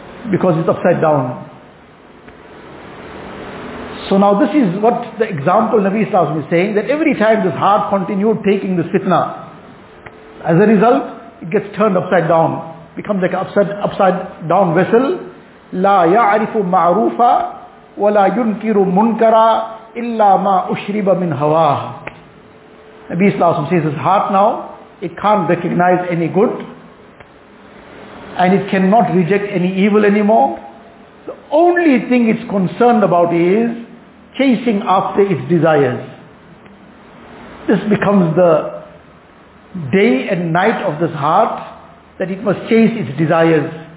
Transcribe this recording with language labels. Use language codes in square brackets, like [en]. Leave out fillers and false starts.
[en] Because it's upside down. So now this is what the example Nabi Sallallahu Alaihi Wasallam is saying, that every time this heart continued taking this fitna, as a result, it gets turned upside down, becomes like an upside down vessel. [ar] لا يعرف معروفا ولا ينكر منكرا إلا ما أشرب من هواه. [en] Nabi Sallallahu Alaihi Wasallam says, this heart now, it can't recognize any good, and it cannot reject any evil anymore. The only thing it's concerned about is chasing after its desires. This becomes the day and night of this heart, that it must chase its desires.